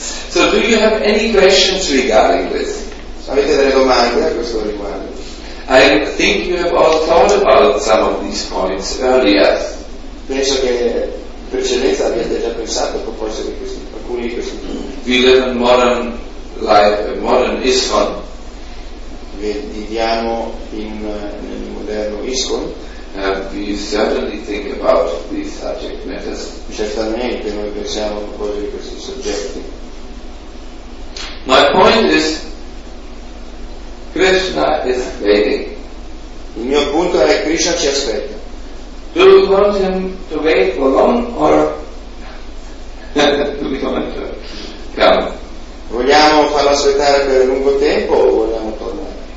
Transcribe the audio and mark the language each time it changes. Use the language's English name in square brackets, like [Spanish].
[English] So do you have any questions regarding this? [Italian] Avete delle domande a questo riguardo? [English] I think you have all thought about some of these points earlier. [Italian] Penso che in precedenza avete già pensato a proposito di questi, alcuni di questi punti. [English] We live in modern life, modern ISKCON. [Italian] Viviamo nel moderno ISKCON. [English] We certainly think about these subject matters. [Italian] Certamente noi pensiamo a proposito di questi soggetti. [English] My point is, Krishna is waiting. [Italian] Il mio punto è Krishna ci aspetta. [English] Do we want him to wait for long or do we want to come? [Italian] Vogliamo farlo aspettare per lungo tempo o vogliamo tornare?